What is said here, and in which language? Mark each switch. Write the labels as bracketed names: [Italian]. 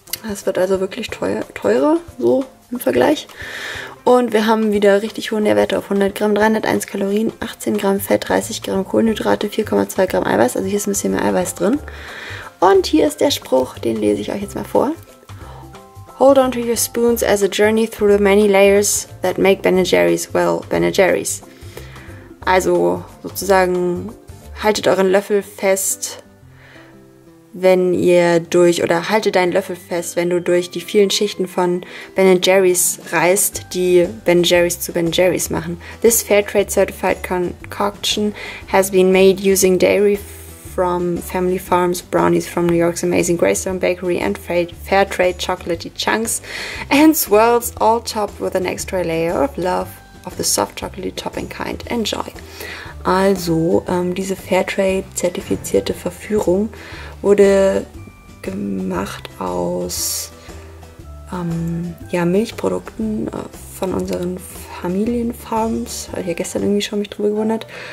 [German] Es wird also wirklich teurer, so im Vergleich. Und wir haben wieder richtig hohe Nährwerte auf 100 Gramm, 301 Kalorien, 18 Gramm Fett, 30 Gramm Kohlenhydrate, 4,2 Gramm Eiweiß. Also hier ist ein bisschen mehr Eiweiß drin. Und hier ist der Spruch, den lese ich euch jetzt mal vor. [English] Hold on to your spoons as a journey through the many layers that make Ben & Jerry's well Ben & Jerry's. [German] Also sozusagen haltet euren Löffel fest, wenn ihr durch, oder halte deinen Löffel fest, wenn du durch die vielen Schichten von Ben & Jerry's reißt, die Ben & Jerry's zu Ben & Jerry's machen. [English] This Fairtrade Certified Concoction has been made using dairy from family farms, brownies from New York's Amazing Greystone Bakery and Fairtrade chocolatey chunks and swirls, all topped with an extra layer of love of the soft chocolatey topping kind. Enjoy. [German] Also, diese Fairtrade-zertifizierte Verführung wurde gemacht aus ja, Milchprodukten von unseren Familienfarms. Habe ich ja gestern irgendwie schon mich drüber gewundert.